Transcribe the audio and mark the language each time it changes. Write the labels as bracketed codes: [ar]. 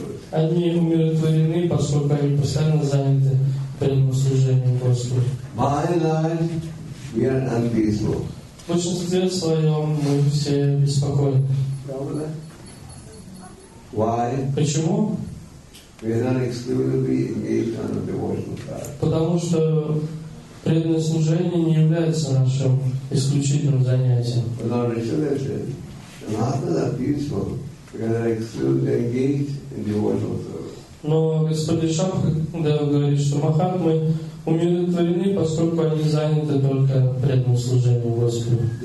[ru] Они умиротворены, поскольку они постоянно заняты преданному служению Господу. В большинстве своем мы все беспокоены. [en] Why? [ru] Почему? [en] We are not exclusively engaged on the devotional path. [ru] Потому что преданное служение не является нашим исключительным занятием. [en] But our religion is [ru] Но Господь Шабхадев говорит, что Махатмы умиротворены, поскольку они заняты только преданным служением Господу.